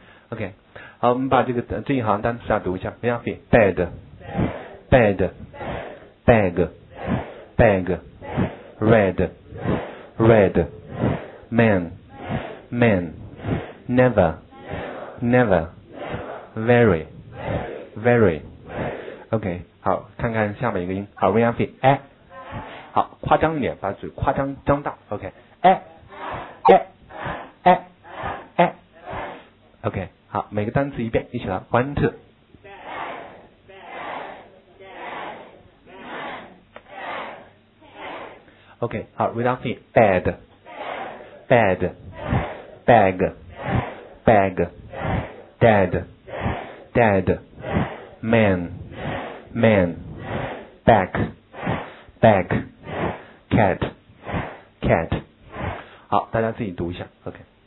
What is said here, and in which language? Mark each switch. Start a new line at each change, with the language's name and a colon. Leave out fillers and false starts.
English: OK，
Chinese: 好，我们把这一行单词啊读一下
English: ，we are free bed bed bag bag red red man man never never very very OK，
Chinese: 好，看看下面一个音，好
English: ，we are free 哎。
Chinese: 好，夸张一点，把嘴夸张张大 ，OK， 哎，哎，哎，哎 ，OK， 好，每个单词一遍，一起来 ，
English: one two。 OK， 好 ，read out three bed bed bag bag dead, dead, man, man, back, back, cat, cat.
Chinese: 好，大家自己读一下 ，OK。